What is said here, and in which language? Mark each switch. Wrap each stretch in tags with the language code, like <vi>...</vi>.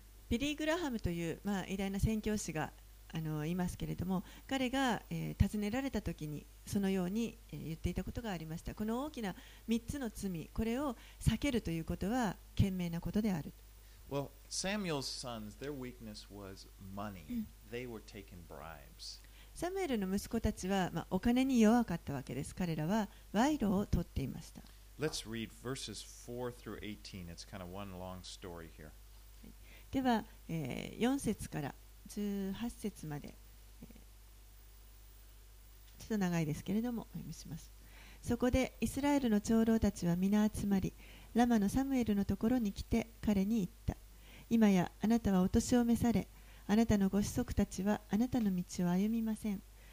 <ja>ビリー・グラハムという、偉大な宣教師が、いますけれども、彼が、尋ねられたときにそのように、言っていたことがありました。この大きな3つの罪、これを避けるということは賢明なことである。</ja> <en>Well, Samuel's sons, their weakness was money. They were taking bribes.</en> <ja>サムエルの息子たちは、まあ、お金に弱かったわけです。彼らは賄賂を取っていました。</ja> <en>Let's read verses 4 through 18. It's kind of one long story here.</en> <ja>では、4節から18節まで、ちょっと長いですけれども、お読みします。そこでイスラエルの長老たちは皆集まり、ラマのサムエルのところに来て彼に言った。今やあなたはお年を召され、あなたのご子息たちはあなたの道を歩みません。</ja>